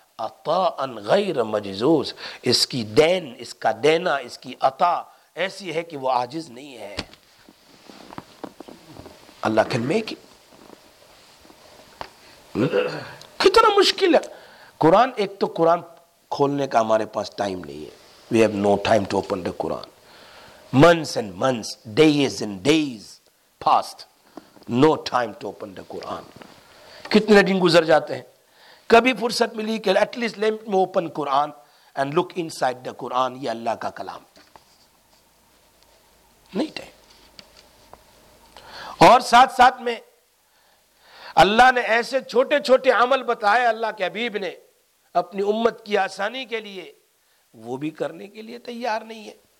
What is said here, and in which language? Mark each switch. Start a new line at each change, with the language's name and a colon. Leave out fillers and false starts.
Urdu: عطا ان غیر مجزوز, اس کی دین, اس کا دینا, اس کی عطا ایسی ہے کہ وہ عاجز نہیں ہے.
English: Allah can make it,
Urdu: کتنا مشکل ہے قرآن. ایک تو قرآن کھولنے کا ہمارے پاس ٹائم نہیں ہے,
English: We have no time to open the Quran. Months and months, days and days past, no time to open the Quran.
Urdu: کتنے دن گزر جاتے ہیں, کبھی فرصت ملی کہ
English: at least let me open Quran and look inside the Quran,
Urdu: یہ اللہ کا کلام نہیں تھے. اور ساتھ ساتھ میں اللہ نے ایسے چھوٹے چھوٹے عمل بتائے اللہ کے حبیب نے اپنی امت کی آسانی کے لیے, وہ بھی کرنے کے لیے تیار نہیں ہے.